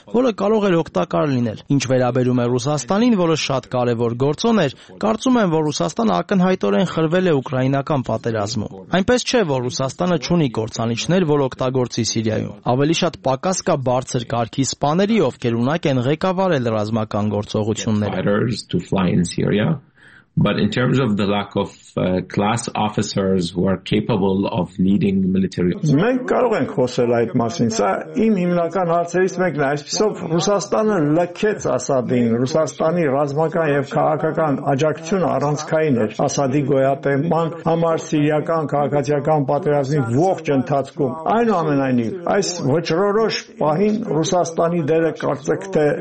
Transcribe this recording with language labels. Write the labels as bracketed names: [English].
[Armenian] որը կարող էր օգտակար լինել։ Ինչ վերաբերում է Ռուսաստանին, որը շատ կարևոր գործոն էր, կարծում եմ, որ Ռուսաստանը ակնհայտորեն խրվել է ուկրաինական պատերազմում։ Այնպես չէ, որ Ռուսաստանը չունի գործանիչներ, որ օգտագործի Սիրիայում։ Ավելի շատ պակաս կա բարձր կարգի սպաների, ովքեր ունակ են ղեկավարել ռազմական գործողությունները. [English] To fly in Syria, but in terms of the lack of class officers who are capable of leading military operations. [Armenian] Մենք կարող ենք խոսել այդ մասին, սա իմ հիմնական հարցերից մեկն է, այսպիսով Ռուսաստանը լքեց Ասադին, Ռուսաստանի ռազմական եւ քաղաքական աջակցությունը առանցքային էր Ասադի գոյատևման համար սիրիական քաղաքացիական պատերազմի ողջ ընթացքում։ Այնուամենայնիվ, այս վճռորոշ պահին Ռուսաստանի դերը կարծեք թե